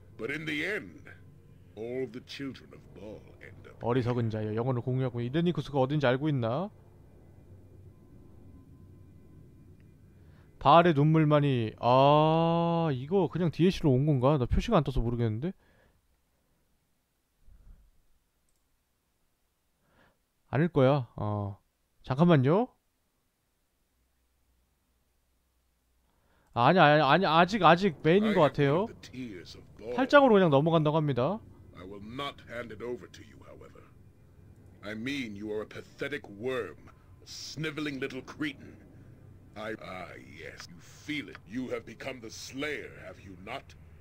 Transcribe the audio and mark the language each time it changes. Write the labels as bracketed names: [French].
[English] But in the end, all the children of Baal end up. [Korean] 어리석은 자여, 영혼을 공유하고 이레니쿠스가 어딘지 알고 있나? 바알의 눈물만이. 아 이거 그냥 DLC로 온 건가? 나 표시가 안 떠서 모르겠는데. 아닐 거야. 잠깐만요. 아니 아직 메인인 것 같아요. 8장으로 그냥 넘어간다고 합니다. [English] I will not hand it over to you, however. I mean, you are a pathetic worm, a sniveling little cretin. Yes, you feel it. You have become the slayer, have you not?